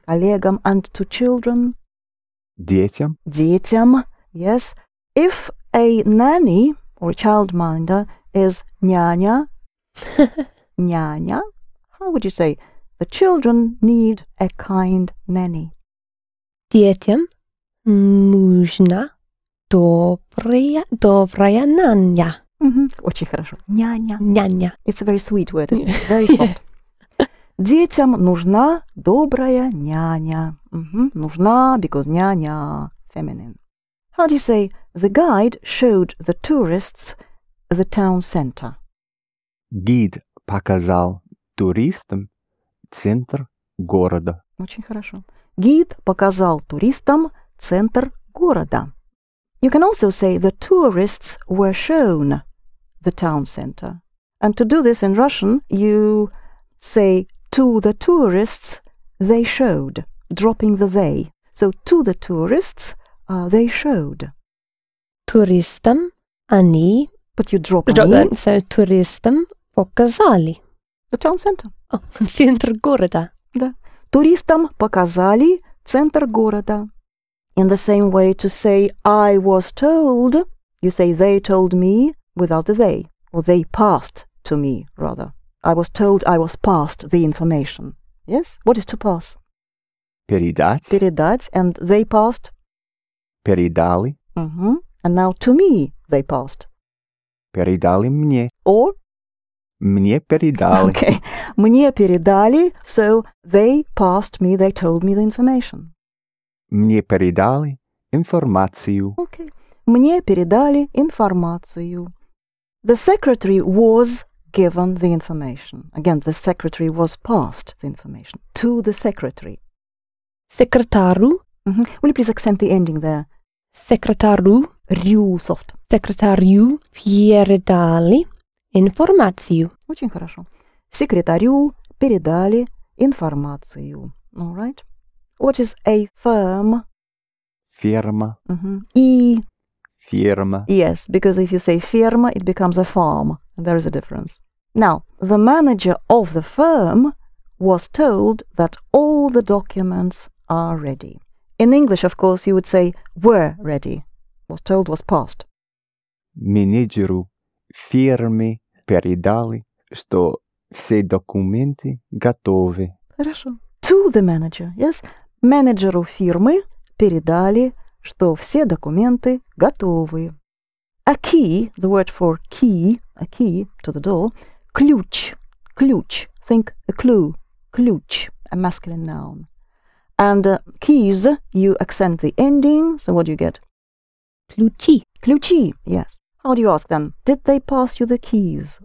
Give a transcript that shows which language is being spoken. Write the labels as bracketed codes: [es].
[ru] Коллегам. [en] And to children? [ru] Детям. Детям. [en] Yes. If a nanny or a childminder is няня, няня, how would you say the children need a kind nanny? [ru] Детям нужна добрая няня. Mm-hmm. Очень хорошо. Няня. Няня. [en] It's a very sweet word. Very soft. [ru] Детям нужна добрая няня. [en] Mm-hmm. Нужна, because няня, feminine. How do you say, the guide showed the tourists the town center? [ru] Гид показал туристам центр города. Очень хорошо. Гид показал туристам центр города. [en] You can also say, the tourists were shown the town center. And to do this in Russian, you say, to the tourists, they showed, dropping the they. So, to the tourists, they showed. [ru] Туристам они... [en] But you drop они. [ru] So, туристам показали. [en] The town center. [ru] Oh, центр города. Да. Туристам показали центр города. [en] In the same way to say, I was told, you say, they told me, without the they. Or they passed to me, rather. I was told I was passed the information. Yes? What is to pass? [ru] Передать. Передать. [en] And they passed? [ru] Передали. [en] Mm-hmm. And now to me they passed. [ru] Передали мне. [en] Or? [ru] Мне передали. [en] Okay. [ru] Мне передали. [en] So they passed me, they told me the information. [ru] Мне передали информацию. [en] Okay. [ru] Мне передали информацию. [en] The secretary was... given the information. Again, the secretary was passed the information to the secretary. [ru] Секретару. [en] Mm-hmm. Will you please accent the ending there? [ru] Секретару. Рю, [en] soft. [ru] Секретарю передали информацию. Очень хорошо. Секретарю передали информацию. [en] All right. What is a firm? [ru] Ферма. Mm-hmm. И. Ферма. [en] Yes, because if you say ферма, it becomes a farm. There is a difference. Now, the manager of the firm was told that all the documents are ready. In English, of course, you would say were ready. Was told, was passed. [ru] Менеджеру фирмы передали, что все документы готовы. Хорошо. [en] To the manager, yes. [ru] Менеджеру фирмы передали, что все документы готовы. [en] A key, the word for key, a key to the door. Ключ, ключ. Think a clue. Ключ, a masculine noun. And keys, you accent the ending. So what do you get? [ru] Ключи. [en] Ключи, yes. How do you ask then? Did they pass you the keys?